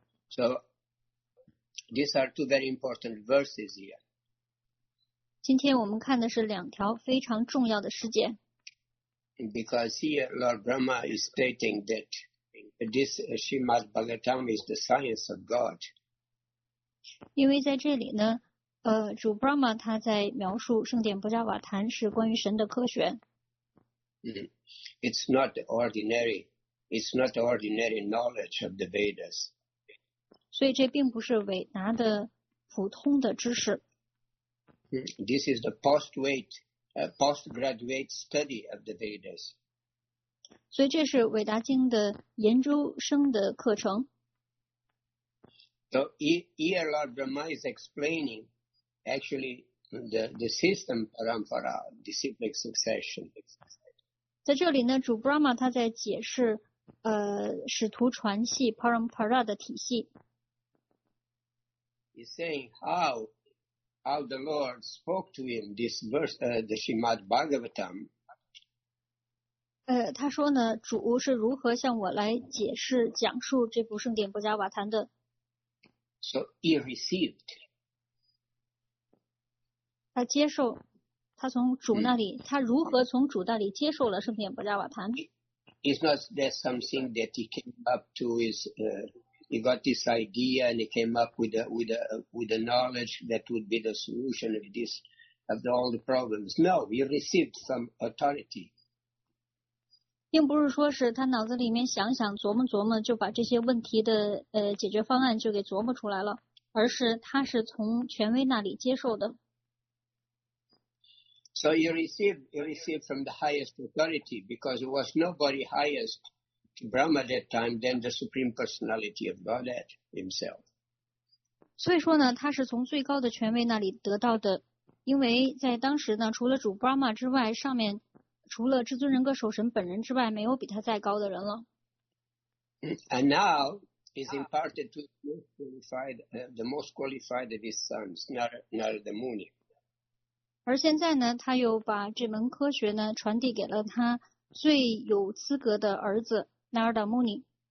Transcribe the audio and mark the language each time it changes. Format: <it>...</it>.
<en>So these are two very important verses here.</en> <zh>今天我们看的是两条非常重要的事件。</zh> <en>Because here Lord Brahma is stating that this Srimad Bhagavatam is the science of God.</en> <zh>因为在这里呢，主 Brahma 他在描述圣殿布加瓦坛是关于神的科学。</zh> <en>It's not ordinary. It's not ordinary knowledge of the Vedas.</en> <zh>所以这并不是伟大的普通的知识。</zh> <en>This is the postgraduate study of the Vedas.</en> <zh>所以这是韦达经的研究生的课程。</zh> <en>So here Lord Brahma is explaining actually the system parampara, the cyclic succession.</en> <zh>在这里呢，主 Brahma 他在解释使徒传系 parampara 的体系。</zh> <en>He's saying how the Lord spoke to him this verse, the Srimad Bhagavatam.</en> <zh>他说呢，主是如何向我来解释讲述这部圣殿布加瓦坛的。</zh> <en>So he received.</en> <zh>他接受，他从主那里，他如何从主那里接受了圣殿布加瓦坛。</zh> <en>It's not that something that he came up to is, He got this idea and he came up with a knowledge that would be the solution of this, of all the problems. No, he received some authority.</en> <zh>并不是说是他脑子里面想想琢磨琢磨就把这些问题的解决方案就给琢磨出来了。而是他是从权威那里接受的。</zh> <en>So you receive from the highest authority because there was nobody highest to Brahma at that time than the Supreme Personality of Godhead himself.</en> <zh>所以说呢，他是从最高的权威那里得到的，因为在当时呢，除了主 Brahma 之外，上面除了至尊人格守神本人之外，没有比他再高的人了。</zh> <en>And now is imparted to the most qualified of his sons, Narada Muni.</en> <zh>而现在呢，他又把这门科学呢传递给了他最有资格的儿子 Narada Muni。</zh>